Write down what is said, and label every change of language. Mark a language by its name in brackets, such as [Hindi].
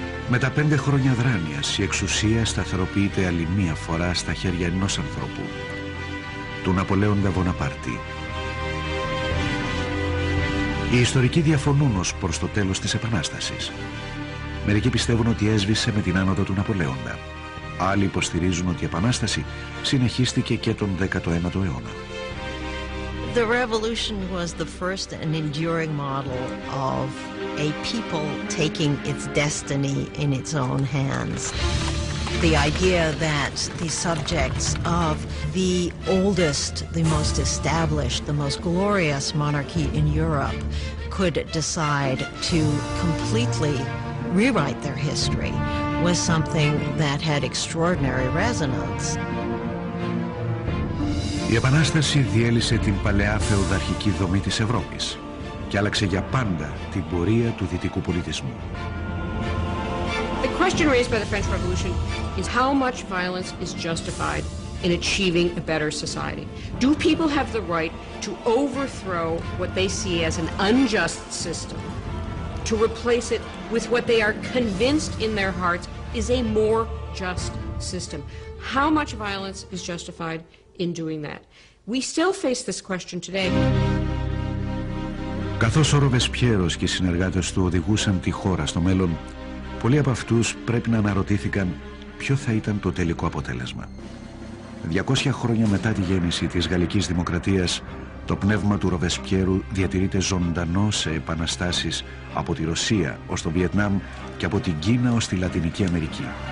[Greek] Μετά 5 χρόνια δράνειας, η εξουσία σταθεροποιείται άλλη μια φορά στα χέρια ενός ανθρώπου, του Ναπολέοντα Βοναπάρτη. Οι ιστορικοί διαφωνούν ως προς το τέλος της επανάστασης. Μερικοί πιστεύουν ότι έσβησε με την άνοδο του Ναπολέοντα. Άλλοι υποστηρίζουν ότι η επανάσταση συνεχίστηκε και τον 19ο αιώνα. [English] The revolution was the first and enduring model of a people taking its destiny in its own hands. The idea that the subjects of the oldest, the most established, the most glorious monarchy in Europe could decide to completely rewrite their history was something that had extraordinary resonance. [Greek] Η Επανάσταση διέλυσε την παλαιά φεουδαρχική δομή της Ευρώπης και άλλαξε για πάντα την πορεία του δυτικού πολιτισμού. [English] The question raised by the French Revolution is how much violence is justified in achieving a better society. Do people have the right to overthrow what they see as an unjust system, to replace it with what they are convinced in their hearts is a more just system? How much violence is justified in doing that? We still face this question today. [Greek] Καθώς ο Ρομπεσπιέρος και οι συνεργάτες του οδηγούσαν τη χώρα στο μέλλον, πολλοί από αυτούς πρέπει να αναρωτήθηκαν ποιο θα ήταν το τελικό αποτέλεσμα. 200 χρόνια μετά τη γέννηση της Γαλλικής Δημοκρατίας, το πνεύμα του Ρομπεσπιέρου διατηρείται ζωντανό σε επαναστάσεις από τη Ρωσία ως το Βιετνάμ και από την Κίνα ως τη Λατινική Αμερική.